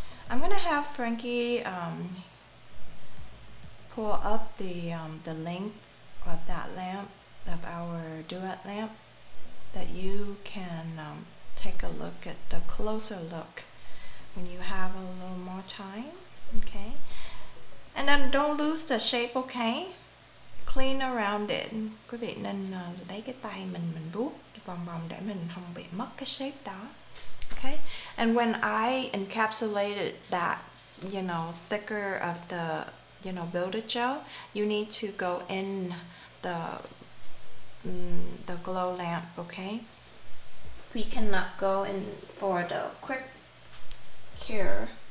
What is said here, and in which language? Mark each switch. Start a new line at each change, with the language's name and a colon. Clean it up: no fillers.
English: I'm gonna have Frankie pull up the link of that lamp, of our duet lamp, that you can take a look at, the closer look when you have a little more time, okay? And then don't lose the shape, okay? Clean around it.
Vietnamese: Quý vị nên lấy cái tay mình vuốt vòng vòng để mình không bị mất cái shape đó.
English: Okay? And when I encapsulated that, you know, thicker of the, you know, builder gel, you need to go in the glow lamp, okay? We cannot go in for the quick cure.